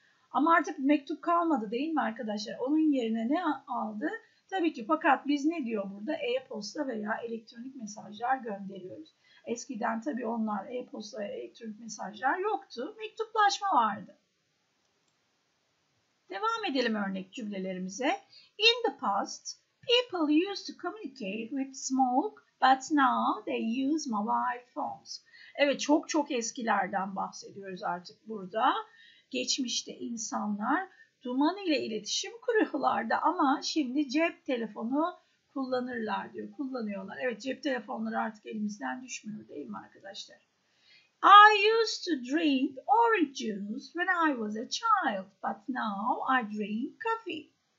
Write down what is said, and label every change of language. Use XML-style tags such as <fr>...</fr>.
<tr>Ama artık mektup kalmadı değil mi arkadaşlar? Onun yerine ne aldı? Tabii ki, fakat biz ne diyor burada? E-posta veya elektronik mesajlar gönderiyoruz. Eskiden tabii onlar e-posta veya elektronik mesajlar yoktu. Mektuplaşma vardı. Devam edelim örnek cümlelerimize.</tr> <en>In the past, people used to communicate with smoke, but now they use mobile phones.</en> <tr>Evet, çok çok eskilerden bahsediyoruz artık burada. Geçmişte insanlar duman ile iletişim kuruyorlardı ama şimdi cep telefonu kullanırlar diyor. Kullanıyorlar. Evet, cep telefonları artık elimizden düşmüyor değil mi arkadaşlar?</tr> <en>I used to drink orange juice when I was a child, but now I drink coffee.</en>